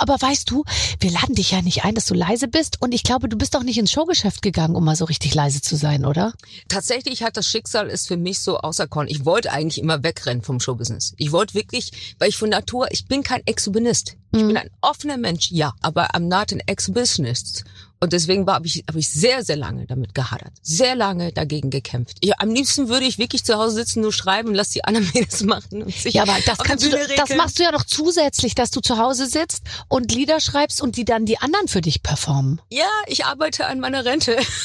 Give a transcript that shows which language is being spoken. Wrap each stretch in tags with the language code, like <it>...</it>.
<de>Aber weißt du, wir laden dich ja nicht ein, dass du leise bist. Und ich glaube, du bist auch nicht ins Showgeschäft gegangen, um mal so richtig leise zu sein, oder? Tatsächlich hat das Schicksal es für mich so auserkoren. Ich wollte eigentlich immer wegrennen vom Showbusiness. Ich wollte wirklich, weil ich von Natur, ich bin kein Exhibitionist. Ich bin ein offener Mensch, ja.</de> <en>Aber I'm not an Exhibitionist.</en> <de>Und deswegen habe ich sehr, sehr lange damit gehadert. Sehr lange dagegen gekämpft. Am liebsten würde ich wirklich zu Hause sitzen, nur schreiben, lass die anderen mir das machen. Und sich ja, aber das kannst du, das machst du ja noch zusätzlich, dass du zu Hause sitzt und Lieder schreibst und die dann die anderen für dich performen. Ja, ich arbeite an meiner Rente.</de>